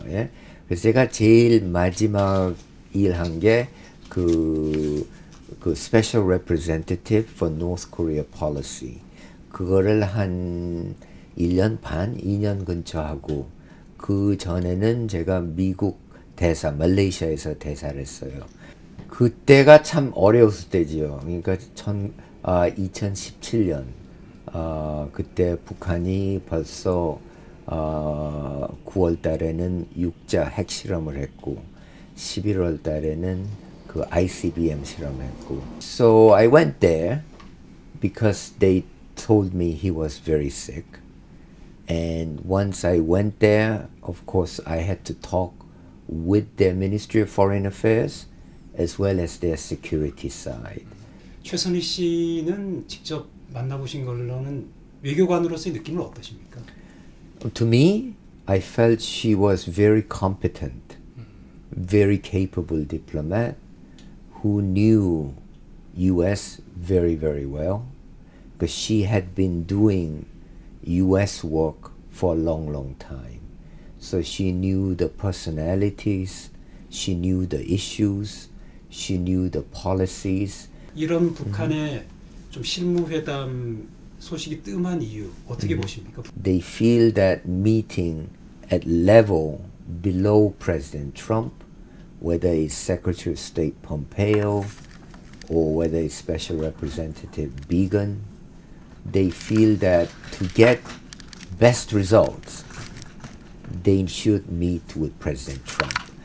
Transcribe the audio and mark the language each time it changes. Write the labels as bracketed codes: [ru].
[ko] 예? 그래서 제가 제일 마지막 일한 게 그 Special Representative for North Korea Policy 그거를 한 1년 반, 2년 근처 하고 그 전에는 제가 미국 대사, 말레이시아에서 대사를 했어요. 그때가 참 어려웠을 때죠. 그러니까 2017년 그때 북한이 벌써 9월 달에는 6자 핵실험을 했고 11월 달에는 그 ICBM 실험했고 [en] So I went there because they told me he was very sick and once I went there of course I had to talk with their Ministry of Foreign Affairs as well as their security side [ko] 최선희 씨는 직접 만나보신 걸로는 외교관으로서의 느낌은 어떠십니까? [en] To me, I felt she was very competent very capable diplomat who knew U.S. very, very well because she had been doing U.S. work for a long, long time. So she knew the personalities, she knew the issues, she knew the policies. [ko] 이런 북한의 좀 실무회담 소식이 뜸한 이유, 어떻게 보십니까? [en] They feel that meeting at level below President Trump whether it's Secretary of State Pompeo or whether it's Special Representative Biegun, they feel that to get best results, they should meet with President Trump.